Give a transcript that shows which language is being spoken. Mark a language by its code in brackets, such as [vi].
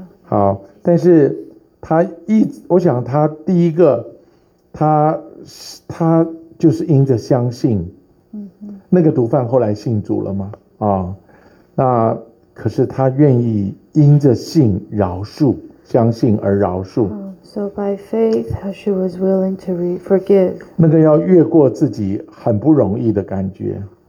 [zh] 好，但是我想他第一个，他就是因着相信，嗯，那个毒贩后来信主了吗？啊，那可是他愿意因着信饶恕，相信而饶恕。 [en] So by faith, she was willing to forgive. [zh] 那个要越过自己很不容易的感觉。